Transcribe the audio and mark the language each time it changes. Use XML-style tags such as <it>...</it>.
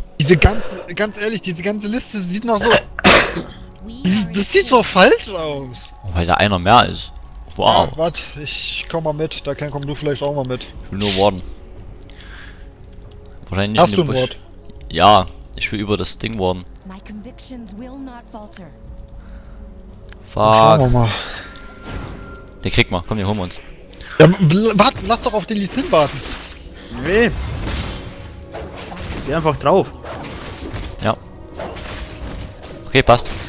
<de>Diese ganze, ganz ehrlich, diese ganze Liste sieht noch so. Das sieht so falsch aus. Weil da einer mehr ist. Wow. Ja, warte, ich komm mal mit. Da kommst du vielleicht auch mal mit. Ich will nur warden. Wahrscheinlich nicht. Hast du ein Ward? Ja, ich will über das Ding warden.</de> <en>My convictions will not falter. Fuck.</en> <de>Schauen wir mal. Den kriegt man. Komm, den holen wir uns. Ja, warte, lass doch auf den Lee Sin warten. Nee. Geh einfach drauf. Ja. Okay, passt.</de>